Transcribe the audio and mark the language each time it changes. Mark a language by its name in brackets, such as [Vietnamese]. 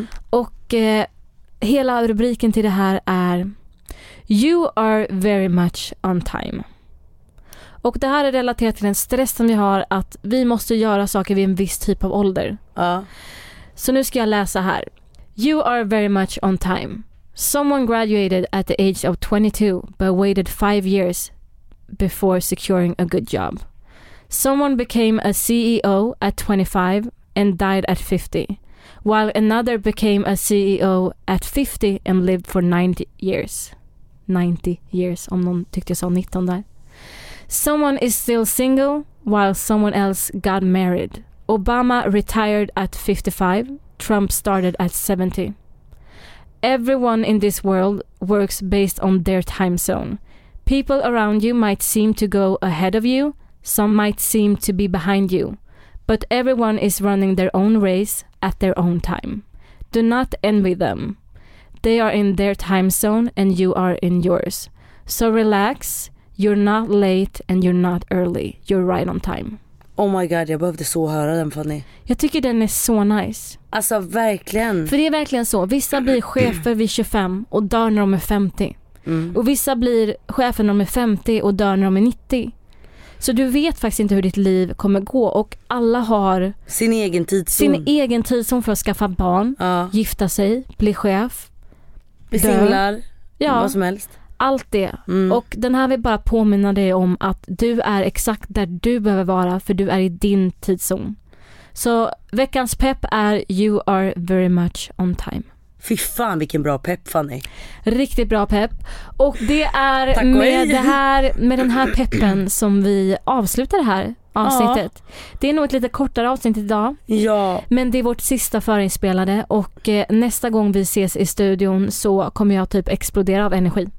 [Swedish] Och hela rubriken till det här är [English] "You are very much on time." [Swedish] Och det här är relaterat till en stress som vi har, att vi måste göra saker vid en viss typ av ålder. Så nu ska jag läsa här. [English] "You are very much on time. Someone graduated at the age of 22 but waited 5 years before securing a good job. Someone became a CEO at 25 and died at 50. While another became a CEO at 50 and lived for 90 years. [Swedish] 90 years, om någon tyckte jag sa 19 där. [English] Someone is still single while someone else got married. Obama retired at 55. Trump started at 70. Everyone in this world works based on their time zone. People around you might seem to go ahead of you. Some might seem to be behind you. But everyone is running their own race at their own time. Do not envy them. They are in their time zone and you are in yours. So relax. You're not late and you're not early. You're right on time." Oh my god, [Swedish] jag behövde så höra den, Fanny. Jag tycker den är så nice. Alltså verkligen. För det är verkligen så, vissa blir chefer vid 25 och dör när de är 50. Och vissa blir chefer när de är 50 och dör när de är 90. Så du vet faktiskt inte hur ditt liv kommer gå. Och alla har sin egen tidszon. Sin egen tidszon för att skaffa barn, ja. Gifta sig, bli chef, bli singlar, ja. Vad som helst. Allt det. Och den här vill bara påminna dig om att du är exakt där du behöver vara, för du är i din tidszon. Så veckans pepp är: [English] you are very much on time. [Swedish] Fy fan vilken bra pepp, Fanny. Riktigt bra pepp. Och det är med den här peppen som vi avslutar det här avsnittet. Ja. Det är nog ett lite kortare avsnitt idag. Ja. Men det är vårt sista förinspelade. Och nästa gång vi ses i studion så kommer jag typ explodera av energi.